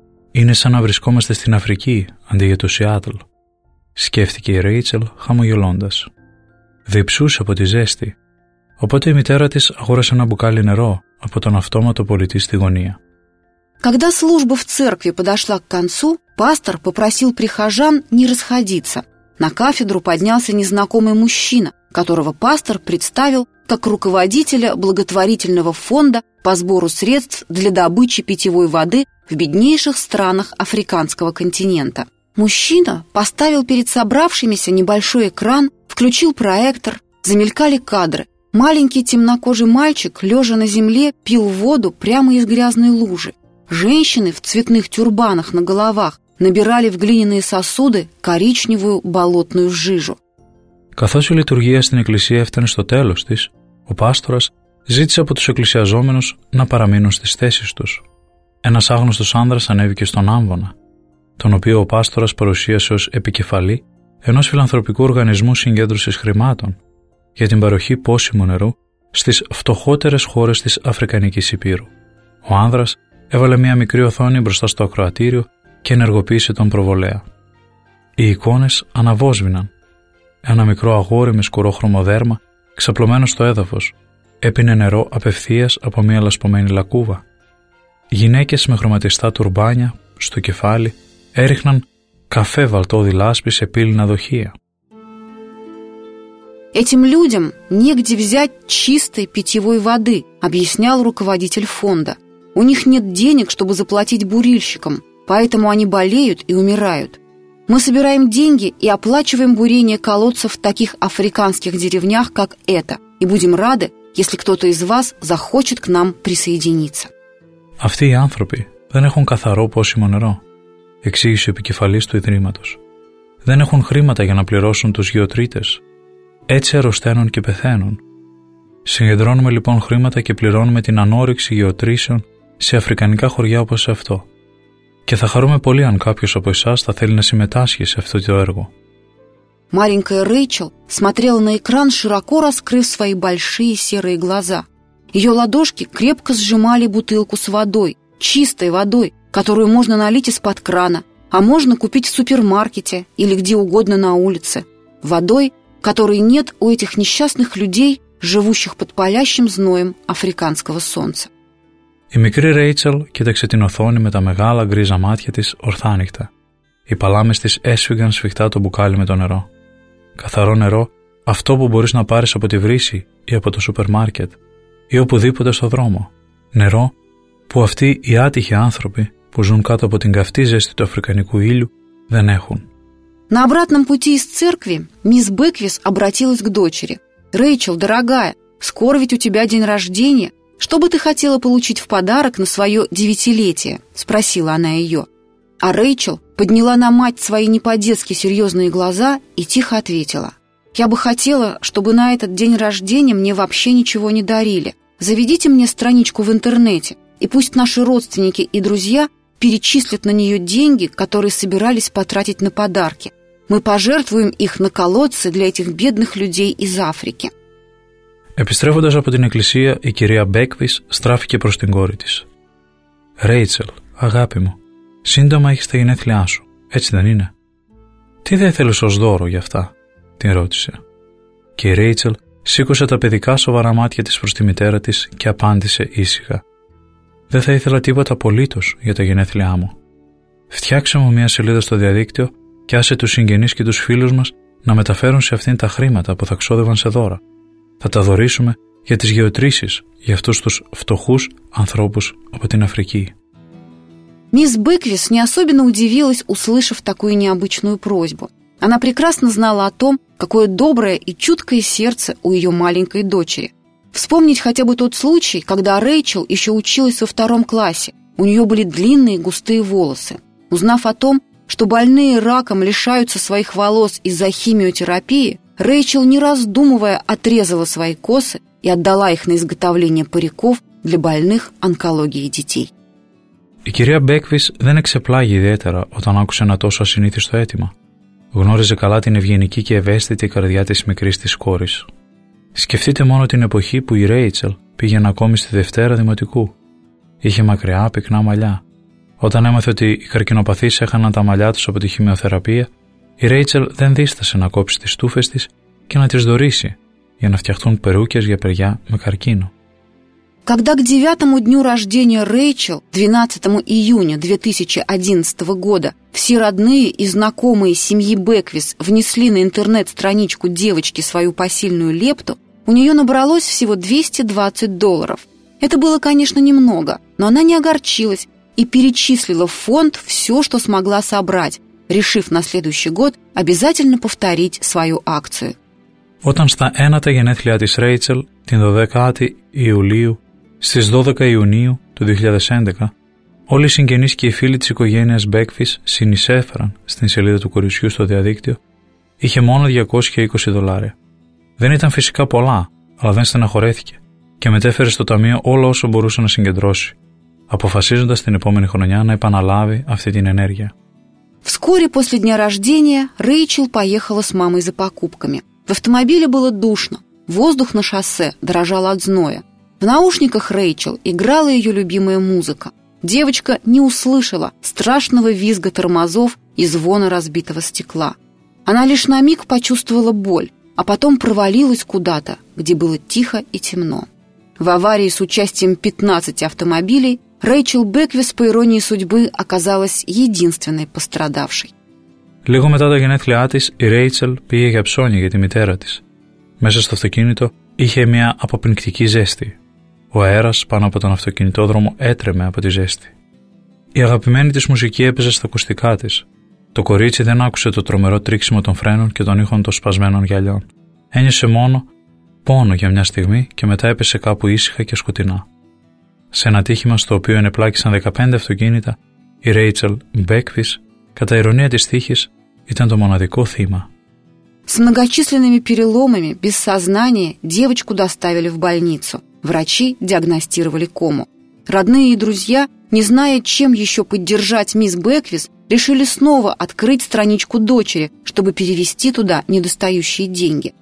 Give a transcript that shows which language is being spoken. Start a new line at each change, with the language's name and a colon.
Greek: «Είναι σαν να βρισκόμαστε στην Αφρική αντί για το Σιάτλ», σκέφτηκε η Ρέιτσελ χαμογελώντας. Διψούσε από τη ζέστη, οπότε η μητέρα της αγόρασε ένα μπουκάλι νερό από τον αυτόματο πολιτή στη γωνία.
Russian: Когда служба в церкви подошла к концу, пастор попросил прихожан не расходиться. На кафедру поднялся незнакомый мужчина, которого пастор представил как руководителя благотворительного фонда по сбору средств для добычи питьевой воды в беднейших странах африканского континента. Мужчина поставил перед собравшимися небольшой экран, включил проектор, замелькали кадры. Маленький темнокожий мальчик, лежа на земле, пил воду прямо из грязной лужи. Женщины в цветных тюрбанах на головах набирали в глиняные сосуды коричневую болотную жижу.
Greek: Καθώς η λειτουργία στην εκκλησία έφτανε στο τέλος της, ο πάστορας ζήτησε από τους εκκλησιαζόμενους να παραμείνουν στις θέσεις τους. Ένας άγνωστος άνδρας ανέβηκε στον άμβονα, τον οποίο ο πάστορας παρουσίασε ως επικεφαλή ενός φιλανθρωπικού οργανισμού συγκέντρωσης χρημάτων για την παροχή πόσιμου νερού στις φτωχότερες χώρες της Αφρικανικής Ηπείρου. Ο άνδρας έβαλε μια μικρή οθόνη μπροστά στο ακροατήριο και ενεργοποίησε τον προβολέα. Οι εικόνες αναβόσβηναν. Ένα μικρό αγόρι με σκουρόχρωμο δέρμα, ξαπλωμένο στο έδαφος, έπινε νερό απευθείας από μια λασπωμένη λακκούβα. Γυναίκες με χρωματιστά τουρμπάνια στο κεφάλι έριχναν καφέ βαλτώδη λάσπη σε πύληνα δοχεία.
Russian: «Этим людям негде взять чистой питьевой воды», объяснял руководитель фонда. «У них нет денег, чтобы заплатить бурильщикам, поэтому они болеют и умирают. Мы собираем деньги и оплачиваем бурение колодцев в таких африканских деревнях, как эта, и будем рады, если кто-то из вас захочет к нам присоединиться».
Greek: «Αυτοί οι άνθρωποι δεν έχουν καθαρό πόσιμο νερό», εξήγησε ο επικεφαλής του Ιδρύματος. «Δεν έχουν χρήματα για να πληρώσουν τους γεωτρήτες. Έτσι αρρωσταίνουν και πεθαίνουν. Συγκεντρώνουμε λοιπόν χρήματα και πληρώνουμε την ανόρυξη γεωτρήσεων σε αφρικανικά χωριά όπως σε αυτό. Και θα χαρούμε πολύ αν κάποιος από εσάς θα θέλει να συμμετάσχει σε αυτό το έργο».
Russian: Маленькая Рэйчел смотрела на экран, широко раскрыв свои большие серые глаза. Ее ладошки крепко сжимали бутылку с водой, чистой водой, которую можно налить из-под крана, а можно купить в супермаркете или где угодно на улице. Водой, которой нет у этих несчастных людей, живущих под палящим зноем африканского солнца.
Greek: Η μικρή Ρέιτσελ κοίταξε την οθόνη με τα μεγάλα γκρίζα μάτια της ορθάνυχτα. Οι παλάμες της έσφυγαν σφιχτά το μπουκάλι με το νερό. Καθαρό νερό, αυτό που μπορείς να πάρεις από τη βρύση ή από το σούπερ μάρκετ ή οπουδήποτε στο δρόμο. Νερό που αυτοί οι άτυχοι άνθρωποι που ζουν κάτω από την καυτή ζέστη του αφρικανικού ήλιου δεν έχουν.
Russian: На обратном пути из церкви мисс Бэквис обратилась к дочери. «Рэйчел, дорогая, скоро ведь у тебя день рождения. Что бы ты хотела получить в подарок на свое девятилетие?» – спросила она ее. А Рэйчел подняла на мать свои не по-детски серьезные глаза и тихо ответила. «Я бы хотела, чтобы на этот день рождения мне вообще ничего не дарили. Заведите мне страничку в интернете, и пусть наши родственники и друзья перечислят на нее деньги, которые собирались потратить на подарки. Мы пожертвуем их на колодцы для этих бедных людей из Африки».
Greek: Επιστρέφοντας από την εκκλησία, η κυρία Μπέκβις στράφηκε προς την κόρη της. «Ρέιτσελ, αγάπη μου, σύντομα έχεις τα γενέθλιά σου, έτσι δεν είναι? Τι δεν θέλεις ως δώρο για αυτά?» την ρώτησε. Και η Ρέιτσελ σήκωσε τα παιδικά σοβαρά μάτια της προς τη μητέρα της και απάντησε ήσυχα. «Δεν θα ήθελα τίποτα απολύτως για τα γενέθλιά μου. Φτιάξε μου μια σελίδα στο διαδίκτυο και άσε τους συγγενείς και τους φίλους μας να μεταφέρουν σε αυτήν τα χρήματα που θα ξόδευαν σε δώρα. Θα τα δωρήσουμε για τις γεωτρήσεις για αυτούς τους φτωχούς ανθρώπους από την Αφρική».
Russian: Мисс Бэквис не особенно удивилась, услышав такую необычную просьбу. Она прекрасно знала о том, какое доброе и чуткое сердце у ее маленькой дочери. Вспомнить хотя бы тот случай, когда Рэйчел еще училась во втором классе. У нее были длинные густые волосы. Узнав о том, что больные раком лишаются своих волос из-за химиотерапии, Рэйчел, не раздумывая, отрезала свои косы и отдала их на изготовление париков для больных онкологией детей.
Greek: Η κυρία Μπέκβις δεν εξεπλάγει ιδιαίτερα όταν άκουσε ένα τόσο ασυνήθιστο αίτημα. Γνώριζε καλά την ευγενική και ευαίσθητη καρδιά της μικρής της κόρης. Σκεφτείτε μόνο την εποχή που η Ρέιτσελ πήγαινε ακόμη στη Δευτέρα Δημοτικού. Είχε μακριά, πυκνά μαλλιά Όταν έμαθε ότι οι καρκινοπαθείς έχαναν τα μαλλιά τους από τη χημειοθεραπεία, η Ρέιτσελ δεν δίστασε να κόψει τις τούφες της και να τις δωρήσει για να φτιαχτούν περούκες για παιδιά με καρκίνο.
Russian: Когда к 9-му дню рождения Рэйчел, 12 июня 2011 года, все родные и знакомые семьи Бэквис внесли на интернет-страничку девочки свою посильную лепту, у нее набралось всего $220. Это было, конечно, немного, но она не огорчилась и перечислила в фонд все, что смогла собрать, решив на следующий год обязательно повторить свою акцию.
Greek: Όταν στα ένατα γενέθλια της Ρέιτσελ, την 12η Ιουλίου, στις 12 Ιουνίου του 2011, όλοι οι συγγενείς και οι φίλοι της οικογένειας Μπέκφις συνεισέφεραν στην σελίδα του κοριτσιού στο διαδίκτυο, είχε μόνο $220. Δεν ήταν φυσικά πολλά, αλλά δεν στεναχωρέθηκε και μετέφερε στο ταμείο όλο όσο μπορούσε να συγκεντρώσει, αποφασίζοντας την επόμενη χρονιά να επαναλάβει αυτή την ενέργεια.
Russian: Вскоре после дня рождения Рэйчел поехала с мамой за покупками. В автомобиле было душно, воздух на шоссе дрожал от зноя. В наушниках Рэйчел играла ее любимая музыка. Девочка не услышала страшного визга тормозов и звона разбитого стекла. Она лишь на миг почувствовала боль, а потом провалилась куда-то, где было тихо и темно. В аварии с участием 15 автомобилей Рэйчел Бэквис, по иронии судьбы, оказалась единственной пострадавшей.
Greek: Λίγο μετά τα γενέθλιά της, η Ρέιτσελ πήγε για ψώνια για τη μητέρα της. Μέσα στο αυτοκίνητο είχε μια αποπνικτική ζέστη. Ο αέρας πάνω από τον αυτοκινητόδρομο έτρεμε από τη ζέστη. Η αγαπημένη της μουσική έπαιζε στα ακουστικά της. Το κορίτσι δεν άκουσε το τρομερό τρίξιμο των φρένων και των ήχων των σπασμένων γυαλιών. Ένιωσε μόνο πόνο για μια στιγμή και μετά έπεσε κάπου ήσυχα και σκοτεινά. Σε ένα ατύχημα στο οποίο ενεπλάκησαν 15 αυτοκίνητα, η Ρέιτσελ Μπέκφις, κατά ειρωνία της τύχης, ήταν το μοναδικό θύμα.
Russian: С многочисленными переломами, без сознания, девочку доставили в больницу. Врачи диагностировали кому. Родные и друзья, не зная, чем еще поддержать мисс Бэквис, решили снова открыть страничку дочери, чтобы перевести туда недостающие деньги.